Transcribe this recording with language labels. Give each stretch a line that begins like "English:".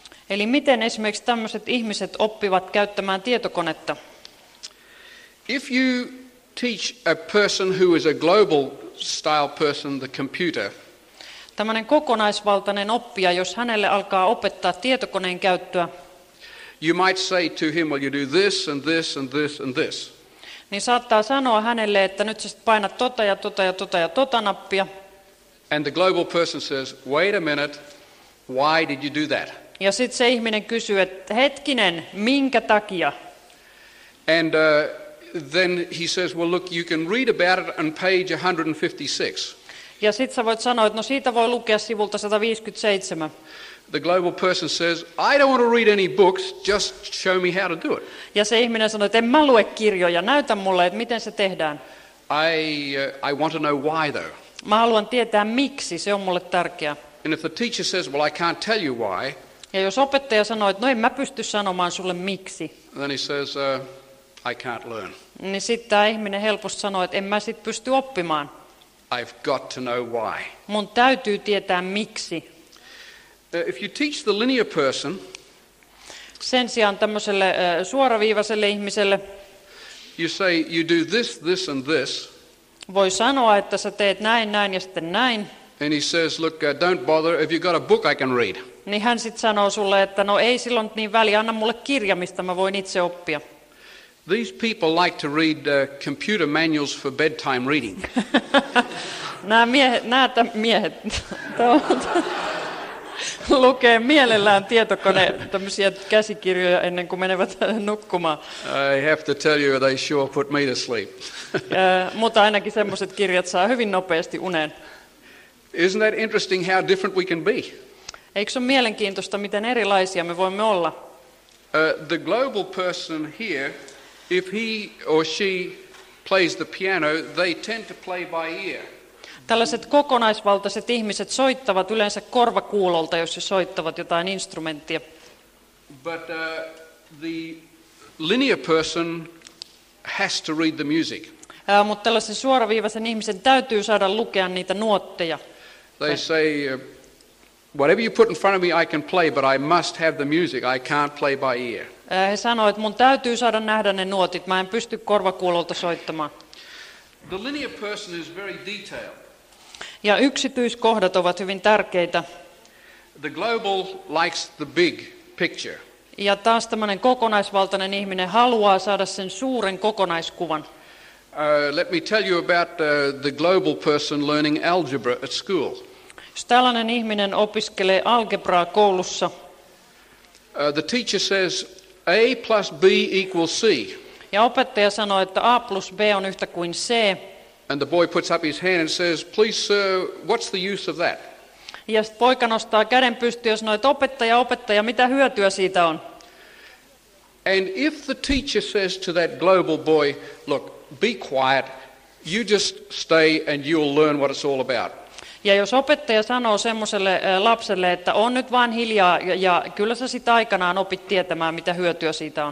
Finnish: Eli miten esimerkiksi tämmöiset ihmiset oppivat käyttämään tietokonetta?
English: If you teach a person who is a global style person the computer.
Finnish: Tämmöinen kokonaisvaltainen oppija, jos hänelle alkaa opettaa tietokoneen käyttöä.
English: You might say to him, well, you do this and this and this and this.
Finnish: Niin saattaa sanoa hänelle, että nyt sä sit painat tota ja tota ja tota ja tota nappia.
English: And the global person says, wait a minute, why did you do that?
Finnish: Ja sitten se ihminen kysyy, että hetkinen, minkä takia?
English: And then he says, well, look, you can read about it on page 156.
Finnish: Ja sitten sä voit sanoa, että no siitä voi lukea sivulta 157.
English: The global person says, I don't want to read any books, just show me how to do it.
Finnish: Ja se ihminen sanoo, että en mä lue kirjoja, näytä mulle, että miten se tehdään.
English: I want to know why though.
Finnish: Mä haluan tietää miksi, se on mulle tärkeä.
English: And if the teacher says, well, I can't tell you why.
Finnish: Ja jos opettaja sanoo, että no en mä pysty sanomaan sulle miksi.
English: Then he says, I can't learn.
Finnish: Niin sitten tämä ihminen helposti sanoo, että en mä sit pysty oppimaan.
English: I've got to know why.
Finnish: Mun täytyy tietää miksi.
English: If you teach the linear person,
Finnish: sen sijaan tämmöiselle suoraviivaiselle ihmiselle,
English: you say you do this, this and this.
Finnish: Voi sanoa, että sä teet näin, näin ja sitten näin.
English: And he says, look, don't bother. If you got a book, I can read.
Finnish: Niin hän sitten sanoo sulle, että no ei silloin niin väliä, anna mulle kirja, mistä mä voin itse oppia.
English: These people like to read computer manuals for bedtime reading.
Finnish: Nämä miehet lukee mielellään tietokone tämmöisiä käsikirjoja ennen kuin menevät nukkumaan.
English: I have to tell you, they sure put me to sleep.
Finnish: Mutta ainakin semmoiset kirjat saa hyvin nopeasti uneen.
English: Isn't that interesting how different we can be?
Finnish: Eikö se ole mielenkiintoista, miten erilaisia me voimme olla?
English: The global person here, if he or she plays the piano, they tend to play by ear.
Finnish: Tällaiset kokonaisvaltaiset ihmiset soittavat yleensä korvakuulolta, jos he soittavat jotain instrumenttia.
English: But the linear person has to read the music.
Finnish: Mutta tällaisen suoraviivaisen ihmisen täytyy saada lukea niitä nuotteja.
English: They say, whatever you put in front of me, I can play, but I must have the music. I can't play by ear.
Finnish: He sanoo, että mun täytyy saada nähdä ne nuotit. Mä en pysty korvakuulolta soittamaan.
English: The linear person is very detailed.
Finnish: Ja yksityiskohdat ovat hyvin tärkeitä.
English: The global likes the big picture.
Finnish: Ja taas tämmöinen kokonaisvaltainen ihminen haluaa saada sen suuren kokonaiskuvan.
English: Let me tell you about the global person learning algebra at school.
Finnish: Jos tällainen ihminen opiskelee algebraa koulussa.
English: The teacher says A plus B equals C.
Finnish: Ja opettaja sanoo, että A plus B on yhtä kuin C.
English: And the boy puts up his hand and says, please sir, what's the use of that?
Finnish: Ja sitten poika nostaa käden pystyyn ja sanoo, että opettaja, opettaja, mitä hyötyä siitä on?
English: And if the teacher says to that global boy, look, be quiet, you just stay and you'll learn what it's all about.
Finnish: Ja jos opettaja sanoo semmoiselle lapselle, että on nyt vaan hiljaa ja kyllä sä sit aikanaan opit tietämään, mitä hyötyä siitä on.